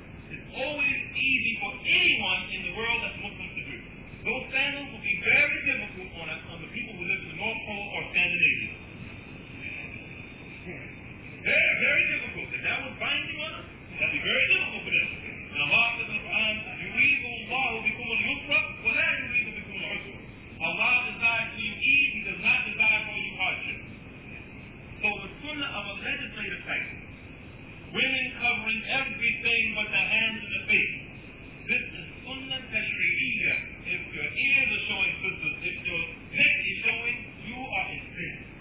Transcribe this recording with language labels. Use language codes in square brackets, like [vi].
[en] It's always easy for anyone in the world that's Muslim to do. Those sandals will be very difficult on the people who live in the North Pole or Scandinavia. Very, very difficult. If that was binding on us, that'd be very difficult for them. And Allah says in the Quran, [ar] يُرِيدُ اللَّهُ بِكُمُ الْيُسْرَ وَلَا يُرِيدُ بِكُمُ الْعُسْرَ. [en] Allah desires for you ease, He does not desire for you hardship. So the sunnah of a legislative type, women covering everything but the hands and the face. This is sunnah tashri'iyya. If your ears are showing, sisters, if your neck is showing, you are in sin.